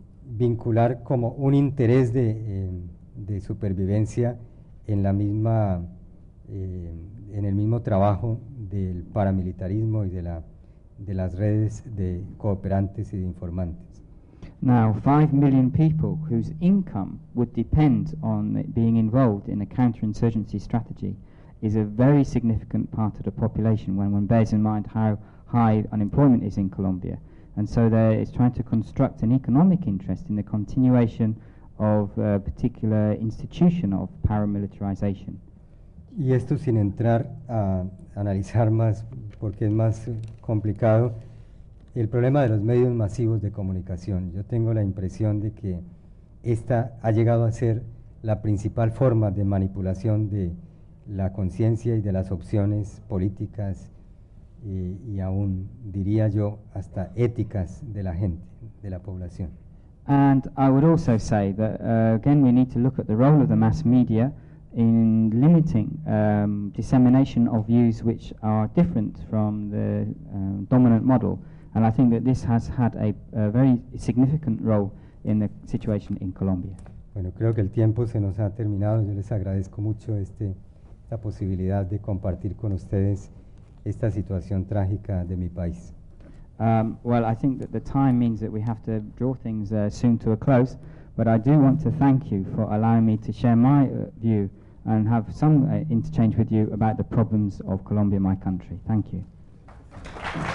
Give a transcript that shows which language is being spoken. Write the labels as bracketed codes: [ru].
[es] vincular como un interés de supervivencia en la misma en el mismo trabajo del paramilitarismo y de las redes de cooperantes y de informantes. [en] Now, 5 million people whose income would depend on being involved in a counterinsurgency strategy is a very significant part of the population when one bears in mind how high unemployment is in Colombia. And so there is trying to construct an economic interest in the continuation of a particular institution of paramilitarization. [es] Y esto sin entrar a analizar más, porque es más complicado, el problema de los medios masivos de comunicación. Yo tengo la impresión de que esta ha llegado a ser la principal forma de manipulación de la conciencia y de las opciones políticas y aún diría yo hasta éticas de la gente, de la población. [en] And I would also say that again we need to look at the role of the mass media in limiting dissemination of views which are different from the dominant model, and I think that this has had a very significant role in the situation in Colombia. [es] Bueno, creo que el tiempo se nos ha terminado. Yo les agradezco mucho esta posibilidad de compartir con ustedes esta situación trágica de mi país. [en] Well, I think that the time means that we have to draw things soon to a close, but I do want to thank you for allowing me to share my view and have some interchange with you about the problems of Colombia, my country. Thank you.